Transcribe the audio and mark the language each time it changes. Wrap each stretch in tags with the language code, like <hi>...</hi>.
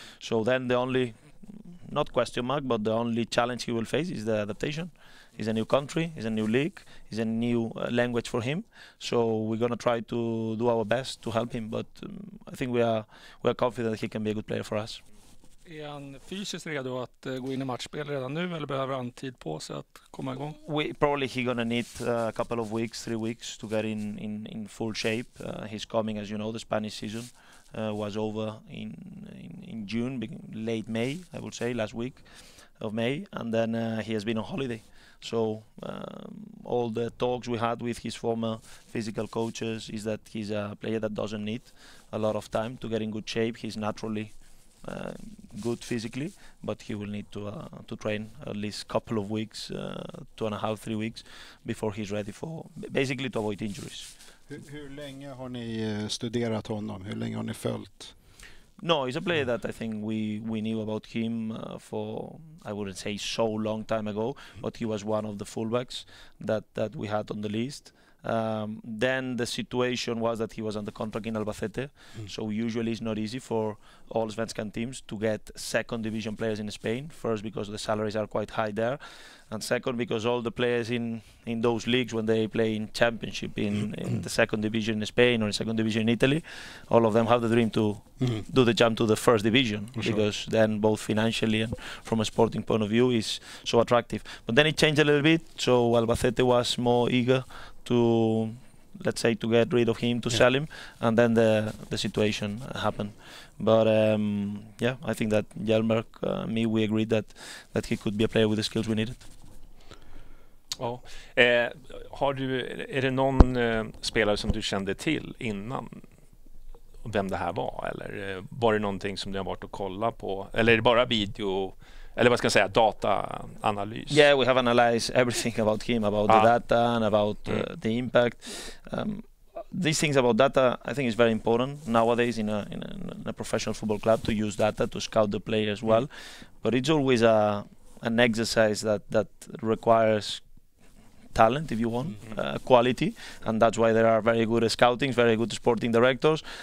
<en>So then the only, not question mark, but the only challenge he will face is the adaptation. It's a new country, it's a new league, it's a new language for him. So we're going to try to do our best to help him. But I think we are confident that he can be a good player for us.</en> <sv>Är han fysiskt redo att gå in i matchspel redan nu eller behöver han tid på sig att komma igång?</sv> <en>Probably he's going to need a couple of weeks, 3 weeks to get in full shape. He's coming, as you know, the Spanish season was over in June, late May, I would say, last week of May. And then he has been on holiday. So all the talks we had with his former physical coaches is that he's a player that doesn't need a lot of time to get in good shape. He's naturally good physically, but he will need to train at least a couple of weeks, 2.5-3 weeks before he's ready for basically to avoid injuries.</en> <sv>Hur länge har ni studerat honom? Hur länge har ni följt?</sv> <en>No, he's a player that I think we knew about him for, I wouldn't say so long time ago, but he was one of the fullbacks that we had on the list. Then the situation was that he was under contract in Albacete, so usually it's not easy for all Svenskan teams to get second division players in Spain. First, because the salaries are quite high there, and second, because all the players in those leagues, when they play in championship in the second division in Spain or in second division in Italy, all of them have the dream to do the jump to the first division, because then both financially and from a sporting point of view is so attractive. But then it changed a little bit, so Albacete was more eager to, let's say, to get rid of him, to sell him, and then the situation happened. But yeah, I think that Hjelmberg, me, we agreed that he could be a player with the skills we needed. Oh.</en> <sv>Är det någon spelare som du kände till innan vem det här var, eller var det någonting som du har varit och kolla på, eller är det bara video? Eller vad ska jag säga, data analys.</sv> <en>Yeah, we have analyzed everything about him, about the data and about the impact. These things about data, I think, is very important nowadays in a professional football club to use data to scout the player as well. But it's always an exercise that requires talent, if you want, quality, and that's why there are very good scouting, very good sporting directors.</en>